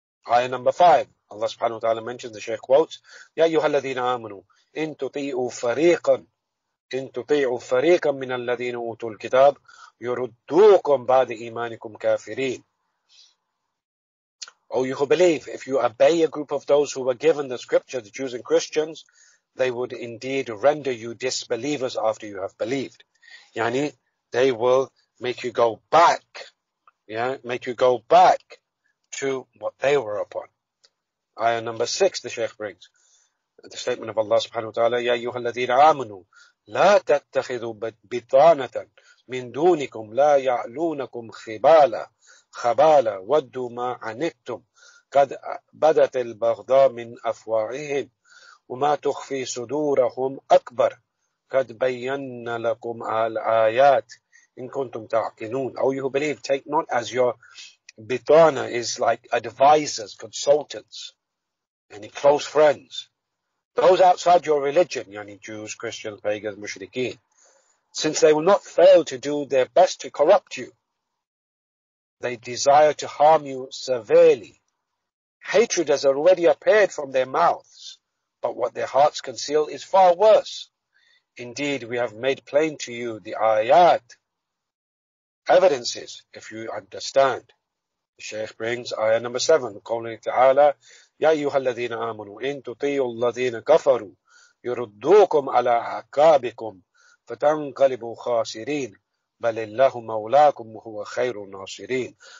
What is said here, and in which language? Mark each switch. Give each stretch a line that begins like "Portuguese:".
English: Ayah number 5, Allah subhanahu wa ta'ala mentions, the Shaykh quotes,
Arabic: يَا أَيُّهَا الَّذِينَ آمَنُوا إِن تُطِيعُوا فَرِيقًا إِن تُطِيعُوا فَرِيقًا مِنَ الَّذِينَ أُوتُوا الْكِتَابِ يُرُدُّوكُمْ بَعْدِ إِيمَانِكُمْ كَافِرِينَ.
English: Oh, you who believe, if you obey a group of those who were given the scripture, the Jews and Christians, they would indeed render you disbelievers after you have believed. Yani, they will make you go back, make you go back to what they were upon. Ayah number 6, the Shaykh brings, the statement of Allah subhanahu wa ta'ala,
Arabic: يَا أَيُّهَا الَّذِينَ آمَنُوا لَا تَتَّخِذُوا بِطَانَةً مِن دُونِكُمْ لَا يَعْلُونَكُمْ خِبَالًا خَبَالًا وَدُّوا مَا عَنِتُّمْ قَدْ بَدَتِ الْبَغْضَاءُ مِنْ أَفْوَاهِهِمْ وَمَا تُخْفِي صُدُورَهُمْ أَكْبَرُ قَدْ بَيَّنَّا لَكُمْ الْآيَاتِ إِن كُنْتُمْ تَعْقِلُونَ.
English: Oh, you who believe, take not as your bitana is like advisors, consultants, any close friends, those outside your religion, yani Jews, Christians, pagans, mushrikeen, since they will not fail to do their best to corrupt you. They desire to harm you severely. Hatred has already appeared from their mouths, but what their hearts conceal is far worse. Indeed, we have made plain to you the ayat, evidences, if you understand. The Shaykh brings ayah number 7, calling it ta'ala,
Arabic: يَا أَيُّهَا الَّذِينَ آمَنُوا إِن تُطِيعُوا الَّذِينَ كَفَرُوا يُرُدُّوكُمْ عَلَىٰ أَعْقَابِكُمْ فَتَنْقَلِبُوا خَاسِرِينَ بَلِ اللَّهُ مَوْلَاكُمْ وَهُوَ خَيْرُ النَّاصِرِينَ.